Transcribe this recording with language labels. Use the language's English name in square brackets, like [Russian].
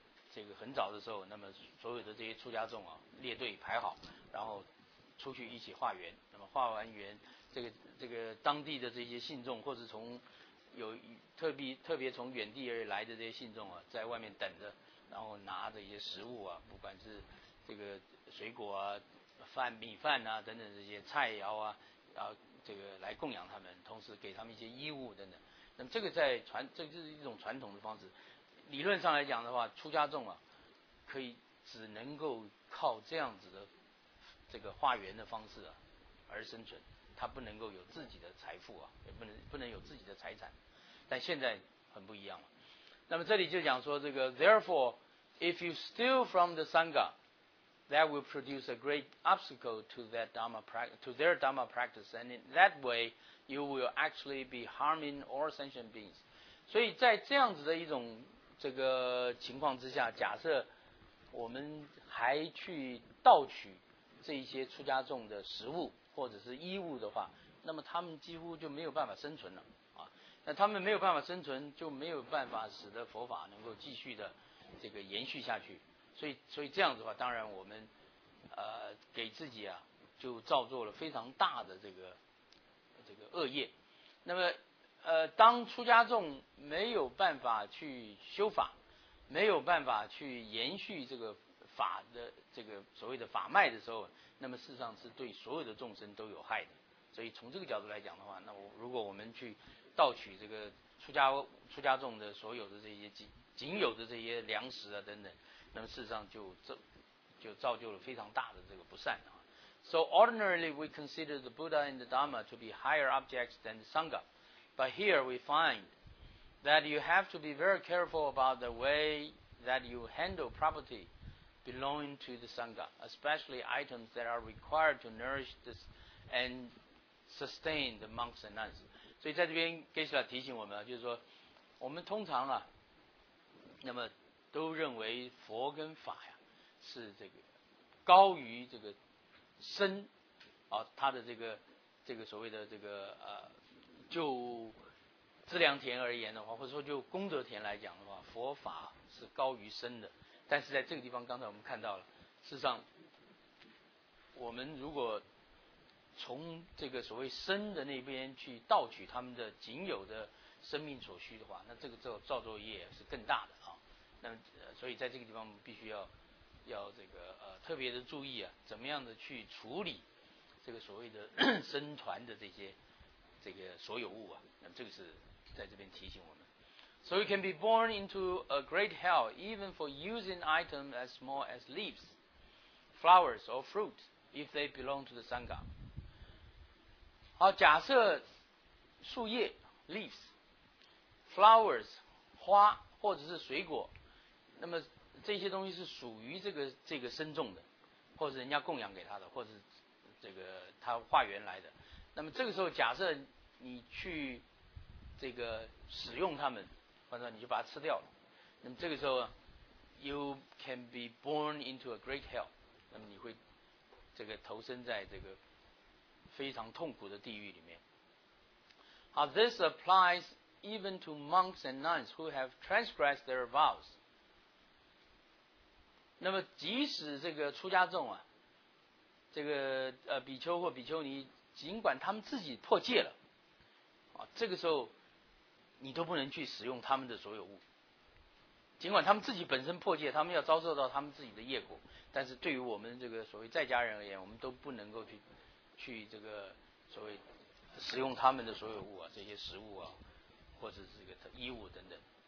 [Chinese] 这个很早的时候，那么所有的这些出家众啊列队排好，然后出去一起化缘，那么化完缘，这个当地的这些信众或是从有特别从远地而来的这些信众啊，在外面等着，然后拿着一些食物啊，不管是这个水果啊、饭米饭啊等等这些菜肴啊，然后这个来供养他们，同时给他们一些衣物等等，那么这个在传这就是一种传统的方式。理论上来讲的话，出家众啊，可以只能够靠这样子的这个化缘的方式啊而生存，他不能够有自己的财富啊，也不能有自己的财产。但现在很不一样了。那么这里就讲说，这个 [English] therefore if you steal from the sangha, that will produce a great obstacle to that dharma to their dharma practice, and in that way you will actually be harming all sentient beings. [Chinese] 所以在这样子的一种这个情况之下，假设我们还去盗取这一些出家众的食物或者是衣物的话，那么他们几乎就没有办法生存了啊。那他们没有办法生存，就没有办法使得佛法能够继续的这个延续下去。所以这样子的话，当然我们给自己啊就造作了非常大的这个恶业。那么当出家众没有办法去修法，没有办法去延续这个法的这个所谓的法脉的时候，那么事实上是对所有的众生都有害的。所以从这个角度来讲的话，那如果我们去盗取这个出家众的所有的这些仅有的这些粮食啊等等，那么事实上就造就了非常大的这个不善啊。 [English] So ordinarily we consider the Buddha and the Dharma to be higher objects than the Sangha. But here we find that you have to be very careful about the way that you handle property belonging to the Sangha, especially items that are required to nourish this and sustain the monks and nuns. [Chinese] 所以在这边Geshe-la提醒我们，就是说我们通常啊，那么都认为佛跟法呀是这个高于这个身啊，它的这个所谓的这个就资粮田而言的话，或者说就功德田来讲的话，佛法是高于身的。但是在这个地方，刚才我们看到了，事实上我们如果从这个所谓身的那边去盗取他们的仅有的生命所需的话，那这个造作业是更大的啊。那所以在这个地方必须要这个特别的注意啊，怎么样的去处理这个所谓的僧团的这些这个所有物啊。那这个是在这边提醒我们。 [English] So you can be born into a great hell even for using items as small as leaves, flowers or fruit if they belong to the Sangha. [Chinese] 好，假设树叶 [English] leaves, flowers [Chinese] 花或者是水果，那么这些东西是属于这个僧众的，或者人家供养给他的，或者这个他化缘来的。那么这个时候，假设你去这个使用他们，或者你就把它吃掉了，那么这个时候 ， [English] you can be born into a great hell， [Chinese] 那么你会这个投身在这个非常痛苦的地狱里面。好 [English] ，this applies even to monks and nuns who have transgressed their vows。 [Chinese] 那么即使这个出家众啊，这个比丘或比丘尼，尽管他们自己破戒了啊，这个时候你都不能去使用他们的所有物。尽管他们自己本身破戒，他们要遭受到他们自己的业果，但是对于我们这个所谓在家人而言，我们都不能够去这个所谓使用他们的所有物啊，这些食物啊或者是这个衣物等等。